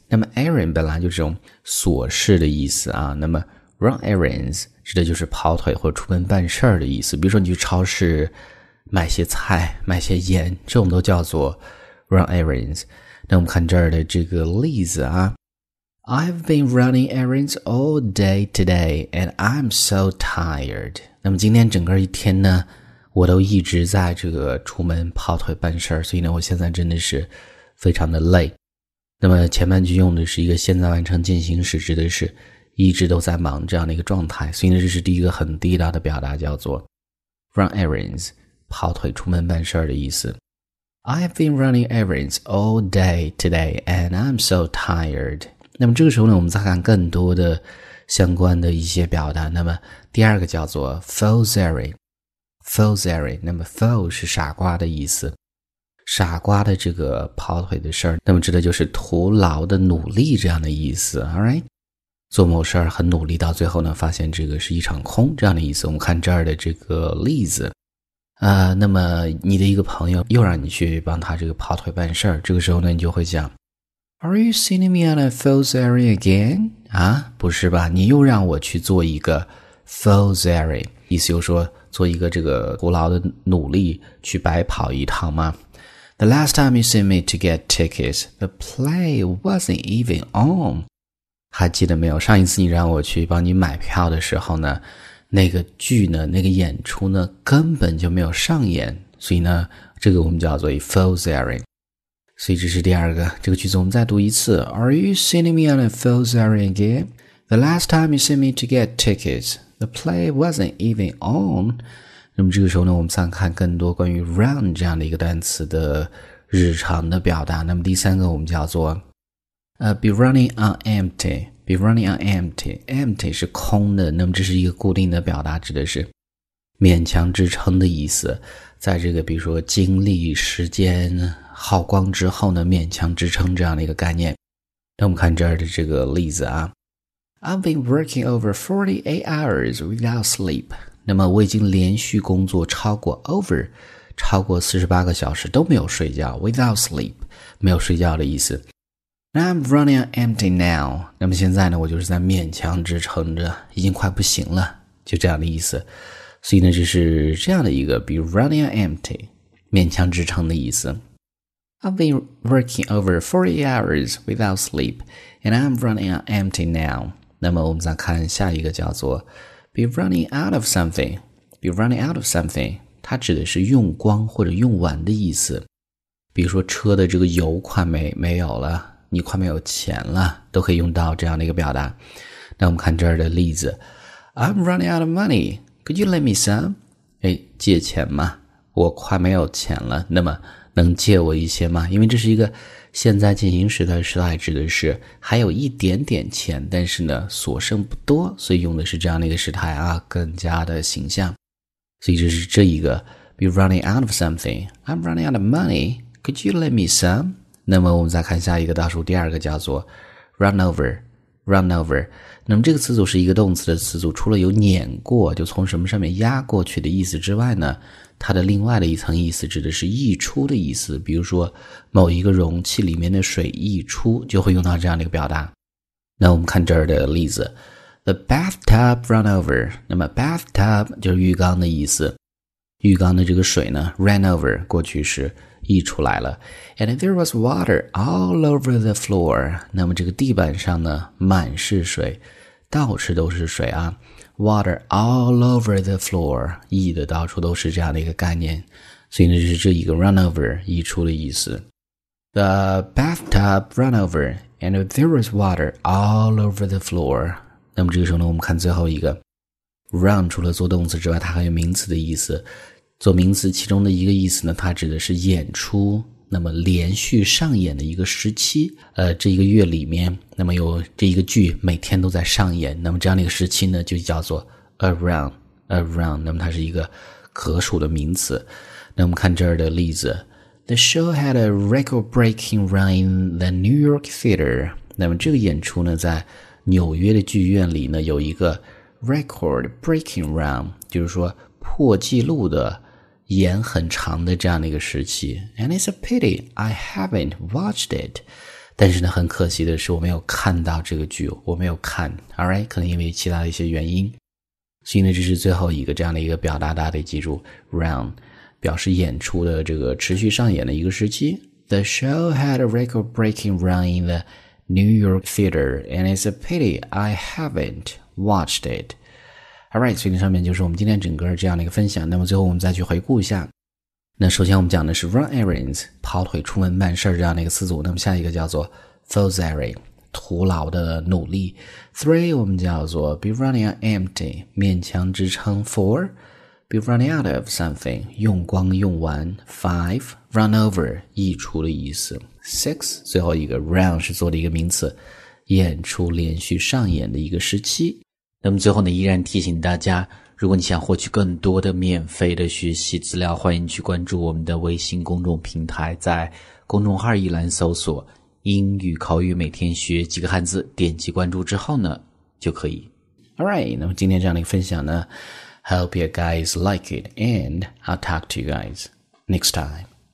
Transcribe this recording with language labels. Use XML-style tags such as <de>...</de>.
<zh>那么 errand 本来就是这种琐事的意思啊。那么Run errands 指的就是跑腿或者出门办事儿的意思。比如说你去超市买些菜、买些盐，这我们都叫做 run errands。那我们看这儿的这个例子啊。</zh> <en>I've been running errands all day today and I'm so tired.</en> <zh>那么今天整个一天呢，我都一直在这个出门跑腿办事儿，所以呢我现在真的是非常的累。那么前半句用的是一个现在完成进行时，指的是一直都在忙这样的一个状态，所以呢，这是第一个很地道的表达，叫做 run errands， 跑腿出门办事儿的意思。</zh> <en>I've been running errands all day today and I'm so tired。</en> <zh>那么这个时候呢，我们再看更多的相关的一些表达。那么第二个叫做 false errand， false errand， 那么 false 是傻瓜的意思，傻瓜的这个跑腿的事儿，那么指的就是徒劳的努力这样的意思。 alright，做某事儿很努力，到最后呢发现这个是一场空，这样的意思。我们看这儿的这个例子。那么你的一个朋友又让你去帮他这个跑腿办事儿，这个时候呢你就会讲</zh> <en>Are you sending me on a false errand again?</en> <zh>啊，不是吧，你又让我去做一个 false errand， 意思就是说做一个这个徒劳的努力去白跑一趟吗？</zh> <en>The last time you sent me to get tickets, the play wasn't even on.</en> <zh>还记得没有，上一次你让我去帮你买票的时候呢，那个剧呢，那个演出呢根本就没有上演，所以呢这个我们叫做 false errand。所以这是第二个，这个句子我们再读一次。</zh> <en>Are you sending me on a false errand again? The last time you sent me to get tickets, the play wasn't even on。</en> <zh>那么这个时候呢，我们再看更多关于 run 这样的一个单词的日常的表达。那么第三个我们叫做be running on empty, be running on empty, empty 是空的，那么这是一个固定的表达，指的是勉强支撑的意思。在这个比如说精力时间耗光之后呢，勉强支撑这样的一个概念。那我们看这儿的这个例子啊。</zh> <en>I've been working over 48 hours without sleep.</en> <zh>那么我已经连续工作超过 over, 超过48个小时都没有睡觉， without sleep, 没有睡觉的意思。</zh> <en>I'm running on empty now.</en> <zh>那么现在呢，我就是在勉强支撑着，已经快不行了，就这样的意思。所以呢，就是这样的一个 be running on empty， 勉强支撑的意思。</zh> <en>I've been working over 40 hours without sleep, and I'm running on empty now.</en> <zh>那么我们再看下一个，叫做 be running out of something. be running out of something， 它指的是用光或者用完的意思。比如说车的这个油快没有了。你快没有钱了，都可以用到这样的一个表达。那我们看这儿的例子。</zh> <en>I'm running out of money. Could you lend me some?</en> <zh>哎，借钱吗？我快没有钱了，那么能借我一些吗？因为这是一个现在进行时的时态，指的是还有一点点钱，但是呢所剩不多，所以用的是这样的一个时态啊，更加的形象。所以这是这一个 be running out of something.</zh> <en>I'm running out of money. Could you lend me some?</en> <zh>那么我们再看下一个倒数第二个，叫做 run over。那么这个词组是一个动词的词组，除了有碾过，就从什么上面压过去的意思之外呢，它的另外的一层意思指的是溢出的意思。比如说某一个容器里面的水溢出，就会用到这样的一个表达。那我们看这儿的例子。</zh> <en>The bathtub run over。</en> <zh>那么 bathtub 就是浴缸的意思，浴缸的这个水呢 ran over， 过去时溢出来了。</zh> <en>And there was water all over the floor.</en> <zh>那么这个地板上呢满是水，到处都是水啊。</zh> <en>Water all over the floor，</en> <zh>溢的到处都是，这样的一个概念。所以呢，就是这一个 run over， 溢出的意思。</zh> <en>The bathtub run over and there was water all over the floor.</en> <zh>那么这个时候呢，我们看最后一个 run， 除了做动词之外，它还有名词的意思。做名词其中的一个意思呢，它指的是演出，那么连续上演的一个时期，这一个月里面，那么有这一个剧每天都在上演，那么这样的一个时期呢就叫做 around， around， 那么它是一个可数的名词。那我们看这儿的例子，</zh> <en>The show had a record-breaking run in the New York Theater。</en> <zh>那么这个演出呢，在纽约的剧院里呢，有一个 record-breaking run， 就是说破纪录的演很长的这样的一个时期。</zh> <en>And it's a pity I haven't watched it，</en> <zh>但是呢很可惜的是我没有看到这个剧，我没有看。 Alright， 可能因为其他的一些原因。所以呢，这是最后一个这样的一个表达，大家得记住 run 表示演出的这个持续上演的一个时期。</zh> <en>The show had a record breaking run in the New York Theater and it's a pity I haven't watched itAlright，</en> <zh>所以上面就是我们今天整个这样的一个分享。那么最后我们再去回顾一下，那首先我们讲的是 run errands， 跑腿出门办事这样的一个词组。那么下一个叫做 fusary， 徒劳的努力。 three 我们叫做 be running out empty， 勉强支撑。 four be running out of something， 用光用完。 five run over， 溢出的意思。 six 最后一个 run 是做的一个名词，演出连续上演的一个时期。那么最后呢，依然提醒大家，如果你想获取更多的免费的学习资料，欢迎去关注我们的微信公众平台，在公众号一栏搜索英语口语每天学几个汉字，点击关注之后呢就可以。</zh> <en>Alright，</en> <zh>那么今天这样的一个分享呢，</zh> <en>Hope you guys like it and I'll talk to you guys next time.</en>